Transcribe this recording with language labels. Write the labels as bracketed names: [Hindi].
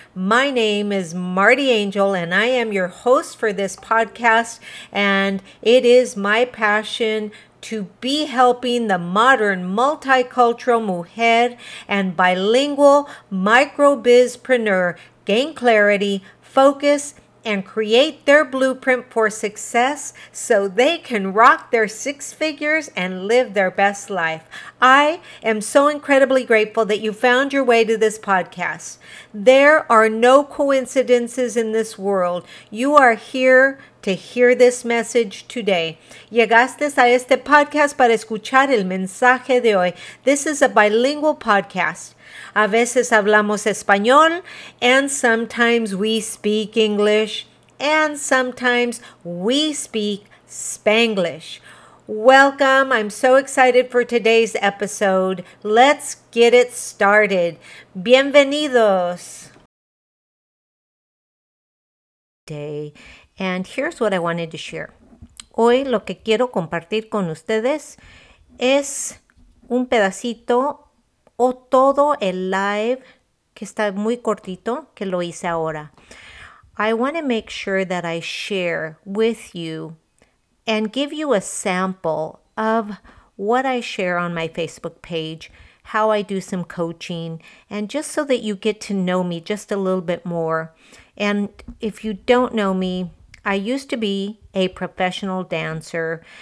[English] My name is Marty Angel, and I am your host for this podcast, and it is my passion to be helping the modern multicultural mujer and bilingual microbizpreneur gain clarity, focus, and create their blueprint for success so they can rock their six figures and live their best life. I am so incredibly grateful that you found your way to this podcast. There are no coincidences in this world. You are here to hear this message today. [Spanish] Llegaste a este podcast para escuchar el mensaje de hoy. [English] This is a bilingual podcast. [Spanish] A veces hablamos español, [English] and sometimes we speak English, and sometimes we speak Spanglish. Welcome. I'm so excited for today's episode. Let's get it started. [Spanish] Bienvenidos. [English] Day. And here's what I wanted to share. [Spanish] Hoy lo que quiero compartir con ustedes es un pedacito o todo el live que está muy cortito que lo hice ahora. [English] I want to make sure that I share with you and give you a sample of what I share on my Facebook page, how I do some coaching, and just so that you get to know me just a little bit more. And if you don't know me, I used to be a professional dancer.